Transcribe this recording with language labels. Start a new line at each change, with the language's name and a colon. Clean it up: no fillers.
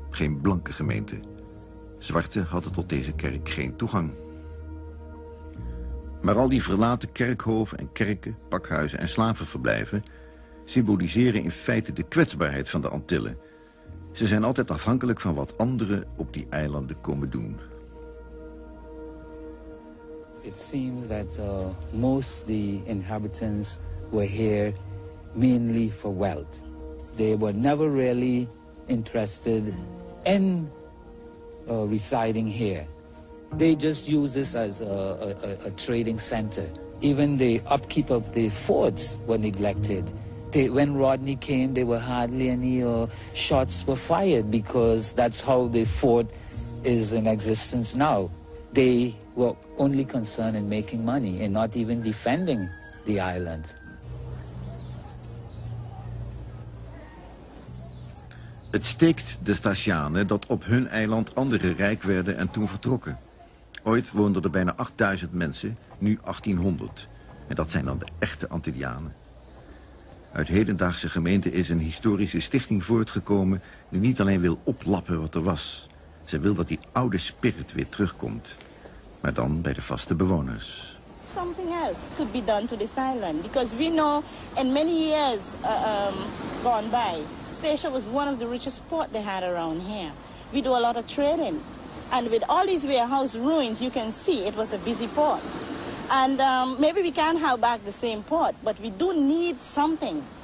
Dutch: Geen blanke gemeente. Zwarten hadden tot deze kerk geen toegang. Maar al die verlaten kerkhoven en kerken, pakhuizen en slavenverblijven symboliseren in feite de kwetsbaarheid van de Antillen. Ze zijn altijd afhankelijk van wat anderen op die eilanden komen doen.
English: It seems that most the inhabitants were here mainly for wealth. They were never really interested in residing here. They just use this as a trading center. Even the upkeep of the forts were neglected. When Rodney came, there were hardly any shots were fired because that's how the fort is in existence now. They were only concerned in making money and not even defending the island.
Dutch: Het steekt de Stacianen dat op hun eiland anderen rijk werden en toen vertrokken. Ooit woonden er bijna 8000 mensen, nu 1800. En dat zijn dan de echte Antillianen. Uit hedendaagse gemeente is een historische stichting voortgekomen die niet alleen wil oplappen wat er was. Ze wil dat die oude spirit weer terugkomt. Maar dan bij de vaste bewoners.
English: Something else could be done to this island. Because we know in many years gone by, Stacia was one of the richest ports they had around here. We do a lot of trading. And with all these warehouse ruins, you can see it was a busy port. And maybe we can't have back the same port, but we do need something.